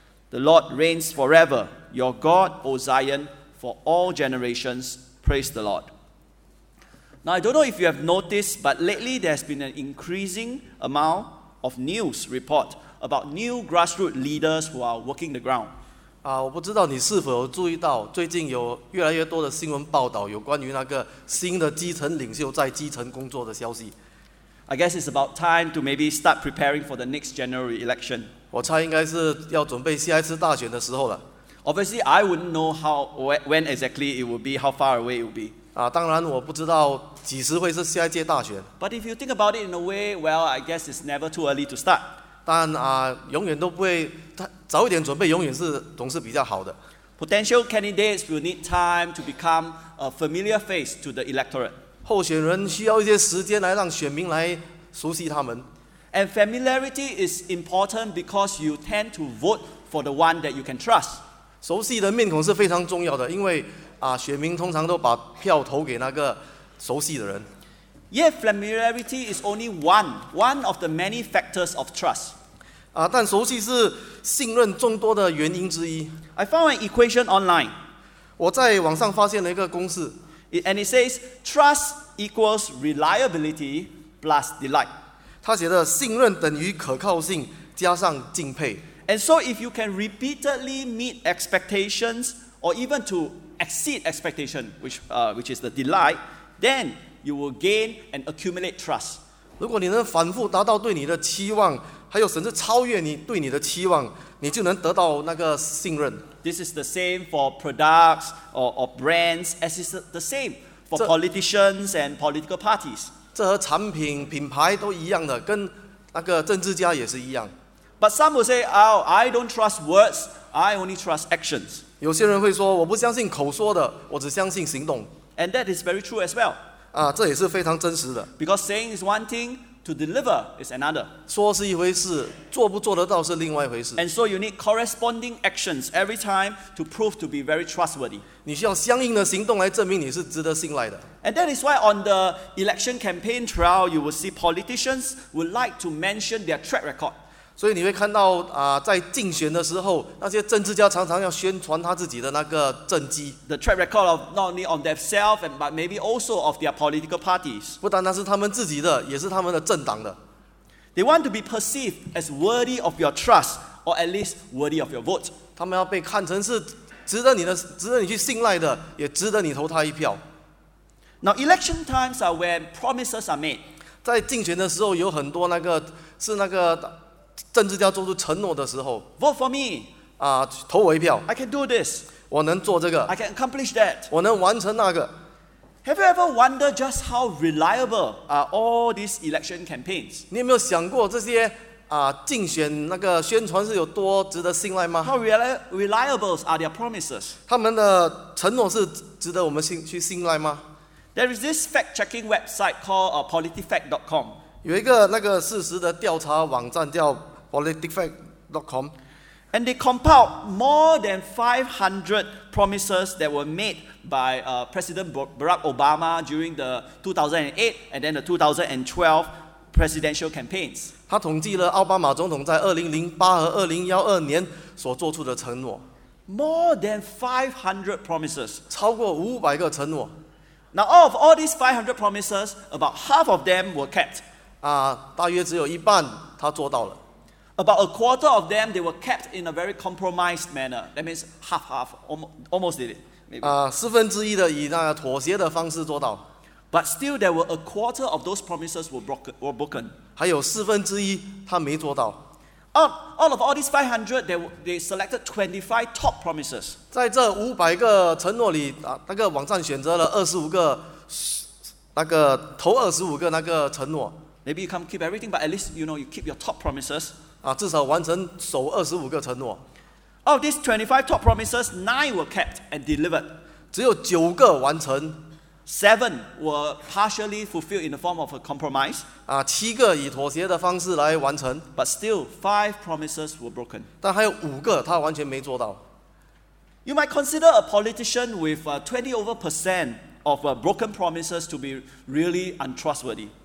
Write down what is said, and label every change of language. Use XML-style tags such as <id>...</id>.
<en>The Lord reigns forever, your God, O Zion, for all generations. Praise the Lord. Now, I don't know if you have noticed, but lately there's been an increasing amount of news report about new grassroots leaders who are working the ground.</en> <zh>我不知道你是否有注意到，最近有越来越多的新闻报道有关于那个新的基层领袖在基层工作的消息。</zh> <en>I guess it's about time to maybe start preparing for the next general election.</en> <zh>我猜应该是要准备下一次大选的时候了。</zh> <en>Obviously, I wouldn't know when exactly it will be, how far away it will be.</en> <zh>当然我不知道几时会是下一届大选。</zh> <en>But if you think about it in a way, well, I guess it's never too early to start.</en> <zh>但永远都不会早一点准备，永远是总是比较好的。</zh> <en>Potential candidates will need time to become a familiar face to the electorate.</en> <zh>候选人需要一些时间来让选民来熟悉他们。</zh> <en>And familiarity is important because you tend to vote for the one that you can trust.</en> <zh>熟悉的面孔是非常重要的，因为选民通常都把票投给那个熟悉的人。</zh> <en>Yet familiarity is only one of the many factors of trust.</en> <zh>但熟悉是信任众多的原因之一。</zh> <en>I found an equation online.</en> <zh>我在网上发现了一个公式。</zh> <en>And it says trust equals reliability plus delight.</en> <zh>他写的信任等于可靠性加上敬佩。</zh> <en>And so if you can repeatedly meet expectations or even to exceed expectation, which is the delight, then you will gain and accumulate trust.</en> <zh>如果你能反复达到对你的期望，还有甚至超越你对你的期望，你就能得到那个信任。</zh> <en>This is the same for products or brands, as is the same for politicians and political parties.</en> <zh>这和产品品牌都一样的，跟那个政治家也是一样。</zh> <en>But some will say, "Oh, I don't trust words. I only trust actions."</en> <zh>有些人会说，我不相信口说的，我只相信行动。</zh> <en>And that is very true as well.</en> <zh>这也是非常真实的。</zh> <en>Because saying is one thing. To deliver is another.</en> <zh>说是一回事，做不做得到是另外一回事。</zh> <en>And so you need corresponding actions every time to prove to be very trustworthy.</en> <zh>你需要相应的行动来证明你是值得信赖的。</zh> <en>And that is why on the election campaign trail, you will see politicians would like to mention their track record.</en> <zh>所以你会看到在竞选的时候，那些政治家常常要宣传他自己的那个政绩。</zh> <en>The track record of not only on themselves, but maybe also of their political parties.</en> <zh>不单单是他们自己的，也是他们的政党的。</zh> <en>They want to be perceived as worthy of your trust, or at least worthy of your vote.</en> <zh>他们要被看成是值得你去信赖的，也值得你投他一票。</zh> <en>Now, election times are when promises are made.</en> <zh>在竞选的时候，有很多那个是那个。政治家做出承诺的时候</zh> <en>，Vote for me，</en> <zh>投我一票。</zh> <en>I can do this，</en> <zh>我能做这个。</zh> <en>I can accomplish that，</en> <zh>我能完成那个。</zh> <en>Have you ever wondered just how reliable are all these election campaigns？</en> <zh>你有没有想过这些竞选那个宣传是有多值得信赖吗</zh> <en>？How reliable are their promises？</en> <zh>他们的承诺是值得我们去信赖吗</zh> <en>？There is this fact-checking website called PolitiFact.com。</en> <zh>有一个那个事实的调查网站叫 politicfact.com，</zh> <en>And they compiled more than 500 promises that were made by President Barack Obama during the 2008 and then the 2012 presidential campaigns.</en> <zh>他统计了奥巴马总统在2008和2012年所做出的承诺。</zh> <en>More than 500 promises.</en> <zh>超过500个承诺。</zh> <en>Now, of all these 500 promises, about half of them were kept.</en> <zh>啊，大约只有一半他做到了。</zh> <en>About a quarter of them, they were kept in a very compromised manner. That means half, almost did it.</en> <zh>啊，四分之一的以那个妥协的方式做到。</zh> <en>But still, there were a quarter of those promises were broken.</en> <zh>还有四分之一他没做到。</zh> <en>All of all these 500, they selected 25 top promises.</en> <zh>在这五百个承诺里，啊，那个网站选择了25个，那个头25个那个承诺。</zh> <en>Maybe you can't keep everything, but at least you know you keep your top promises.</en> <zh>啊，至少完成首25个承诺。</zh> <en>Of these 25 top promises, 9 were kept and delivered.</en> <zh>只有9个完成。</zh> <en>7 were partially fulfilled in the form of a compromise.</en> <zh>啊，7个以妥协的方式来完成。</zh> <en>But still, 5 promises were broken.</en> <zh>但还有5个他完全没做到。</zh> <en>You might consider a politician with 20% of broken promises to be really untrustworthy.</en>